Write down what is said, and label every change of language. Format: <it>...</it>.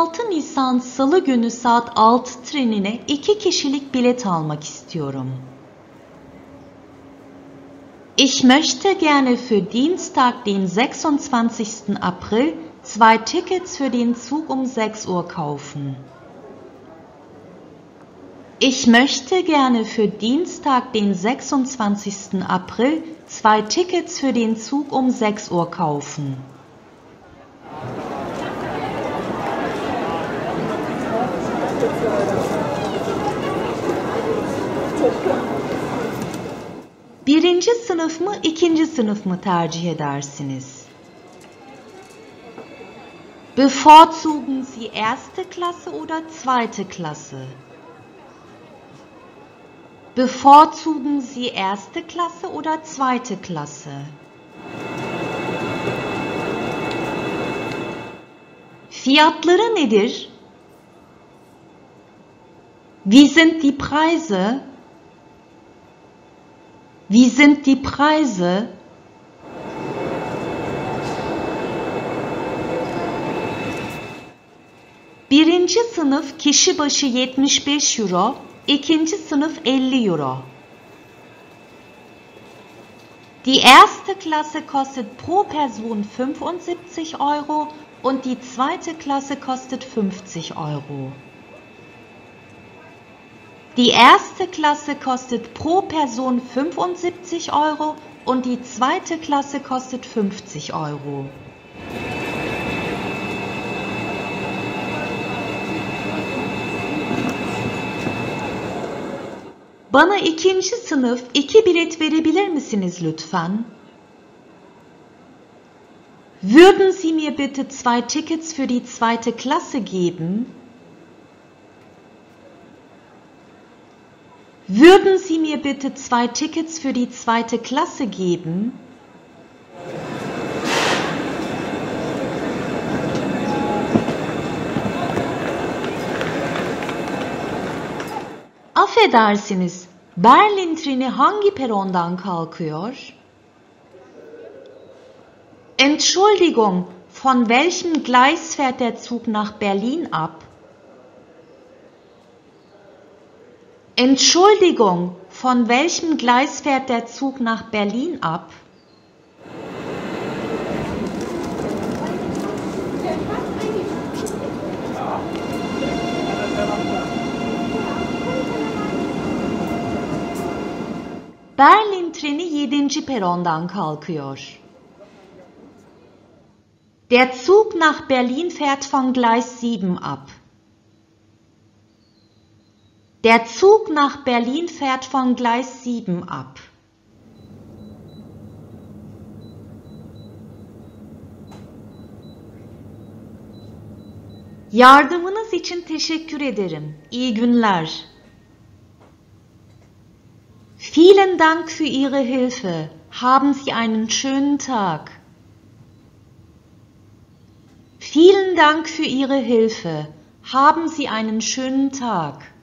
<tr>Nisan Salı günü saat 6 trenine 2 kişilik bilet almak istiyorum.</tr> <de>Ich möchte gerne für Dienstag, den 26. April, 2 Tickets für den Zug um 6 Uhr kaufen. Ich möchte gerne für Dienstag, den 26. April, 2 Tickets für den Zug um 6 Uhr kaufen.</de> <tr>Birinci sınıf mı, ikinci sınıf mı tercih edersiniz?</tr> <de>Bevorzugen Sie erste Klasse oder zweite Klasse? Bevorzugen Sie erste Klasse oder zweite Klasse?</de> <tr>Fiyatları nedir?</tr> <de>Wie sind die Preise? Wie sind die Preise?</de> <tr>Birinci sınıf kişi başı 75 euro, ikinci sınıf 50 euro.</tr> <de>Die erste Klasse kostet pro Person 75 Euro und die zweite Klasse kostet 50 Euro. Die erste Klasse kostet pro Person 75 Euro und die zweite Klasse kostet 50 Euro.</de> <tr>Bana ikinci sınıf iki bilet verebilir misiniz lütfen?</tr> <de>Würden Sie mir bitte 2 Tickets für die zweite Klasse geben? Würden Sie mir bitte 2 Tickets für die zweite Klasse geben?</de> <tr>Affedersiniz, Berlin treni hangi perondan kalkıyor?</tr> <de>Entschuldigung, von welchem Gleis fährt der Zug nach Berlin ab? Entschuldigung, von welchem Gleis fährt der Zug nach Berlin ab?</de> <tr>Berlin treni 7. Perondan kalkıyor.</tr> <de>Der Zug nach Berlin fährt von Gleis 7 ab. Der Zug nach Berlin fährt von Gleis 7 ab.</de> <tr>Yardımınız için teşekkür ederim. İyi günler.</tr> <de>Vielen Dank für Ihre Hilfe. Haben Sie einen schönen Tag. Vielen Dank für Ihre Hilfe. Haben Sie einen schönen Tag.</de>